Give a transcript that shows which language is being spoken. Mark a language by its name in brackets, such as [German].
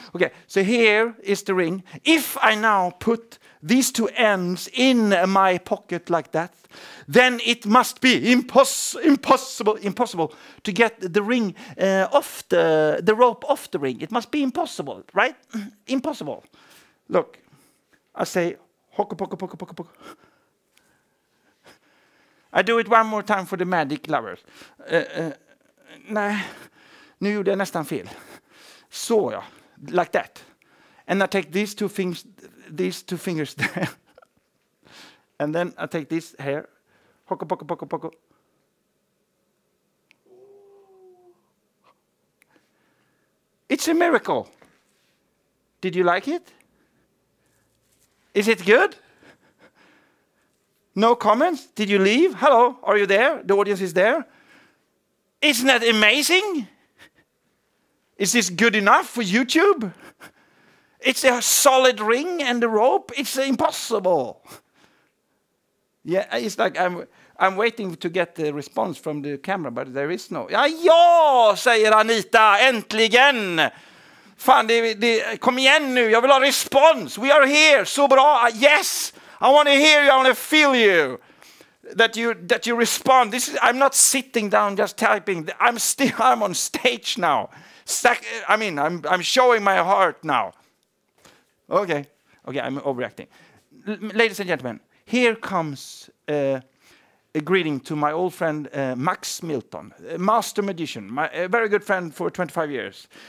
[English] Okay, so here is the ring. If I now put these two ends in my pocket like that, then it must be impossible to get the ring off the rope off the ring. It must be impossible, right? Impossible. Look, I say... Hoka poka poka poka poka. I do it one more time for the magic lovers. [Swedish] Nej, nu gjorde jag nästan fel. Så ja, [English] like that. And I take these two fingers there. And then I take this here. Hoka poka poka poka. It's a miracle. Did you like it? Is it good? No comments? Did you leave? Hello, are you there? The audience is there. Isn't that amazing? Is this good enough for YouTube? It's a solid ring and the rope. It's impossible. Yeah, it's like I'm waiting to get the response from the camera, but there is no. [Swedish] Ja, säger Anita, äntligen! Fan, kom igen nu, jag vill ha respons. [English] We are here, [Swedish] så bra. [English] Yes, I want to hear you, I want to feel you. That you respond. This is, I'm not sitting down just typing. I'm on stage now. I'm showing my heart now. Okay, I'm overreacting. Ladies and gentlemen, here comes a greeting to my old friend Max Milton, master magician, my very good friend for 25 years.